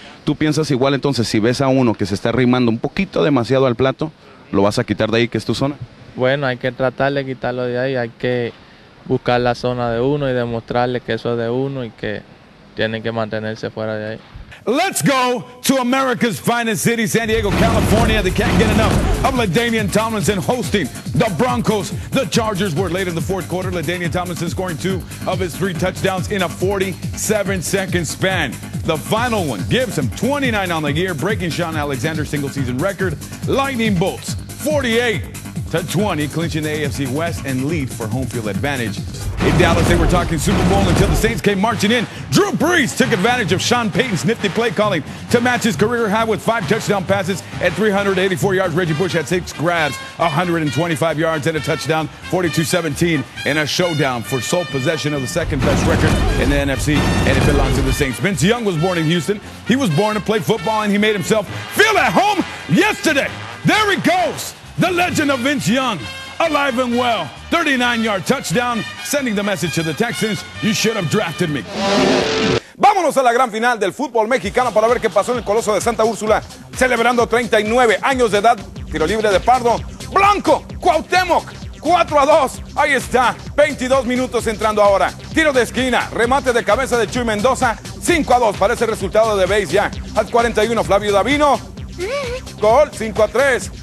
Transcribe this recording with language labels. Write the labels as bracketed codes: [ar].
[es] ¿Tú piensas igual entonces si ves a uno que se está arrimando un poquito demasiado al plato, lo vas a quitar de ahí, que es tu zona? Bueno, hay que tratar de quitarlo de ahí, hay que buscar la zona de uno y demostrarle que eso es de uno y que tienen que mantenerse fuera de ahí. [en] Let's go to America's finest city, San Diego, California. They can't get enough of LaDainian Tomlinson hosting the Broncos. The Chargers were late in the fourth quarter. LaDainian Tomlinson scoring 2 of his 3 touchdowns in a 47-second span. The final one gives him 29 on the year, breaking Sean Alexander's single-season record. Lightning bolts, 48-20, clinching the AFC West and lead for home field advantage. In Dallas, they were talking Super Bowl until the Saints came marching in. Drew Brees took advantage of Sean Payton's nifty play calling to match his career high with 5 touchdown passes at 384 yards. Reggie Bush had 6 grabs, 125 yards, and a touchdown, 42-17, in a showdown for sole possession of the second-best record in the NFC, and it belongs to the Saints. Vince Young was born in Houston. He was born to play football, and he made himself feel at home yesterday. There he goes, the legend of Vince Young. Alive and well, 39-yard touchdown, sending the message to the Texans, you should have drafted me. [es] Vámonos a la gran final del fútbol mexicano para ver qué pasó en el Coloso de Santa Úrsula, celebrando 39 años de edad, tiro libre de Pardo, Blanco, Cuauhtémoc, 4-2, ahí está, 22 minutos entrando ahora, tiro de esquina, remate de cabeza de Chuy Mendoza, 5-2, parece el resultado de base ya, al 41, Flavio Davino, gol, 5-3.